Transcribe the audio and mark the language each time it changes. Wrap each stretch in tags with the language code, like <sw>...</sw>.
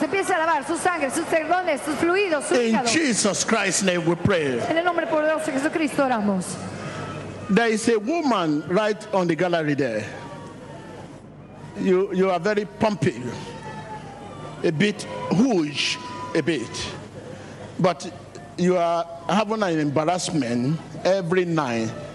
<es>Empieza a lavar su sangre, sus tendones, sus fluidos.</es> <en>In Jesus Christ's name we pray.</en> <es>En el nombre poderoso de Jesucristo oramos.</es> <en>There is a woman right on the gallery there. You are very pumpy, a bit huge, a bit. But you are having an embarrassment every night.</en>